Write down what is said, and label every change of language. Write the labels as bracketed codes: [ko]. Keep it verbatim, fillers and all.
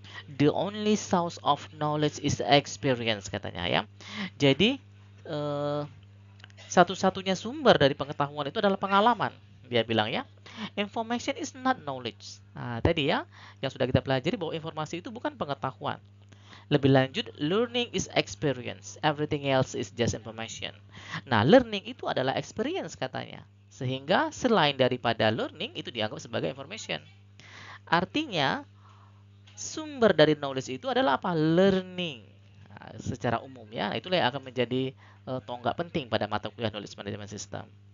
[en] The only source of knowledge is experience, [id] katanya ya. Jadi eh, satu-satunya sumber dari pengetahuan itu adalah pengalaman. Dia bilang ya, [en] information is not knowledge. [id] Nah, tadi ya, yang sudah kita pelajari bahwa informasi itu bukan pengetahuan. Lebih lanjut, [en] learning is experience. Everything else is just information. [id] Nah, learning itu adalah experience katanya. Sehingga selain daripada learning, itu dianggap sebagai information. Artinya, sumber dari knowledge itu adalah apa? Learning. Nah, secara umum ya, itulah yang akan menjadi uh, tonggak penting pada mata kuliah knowledge management system.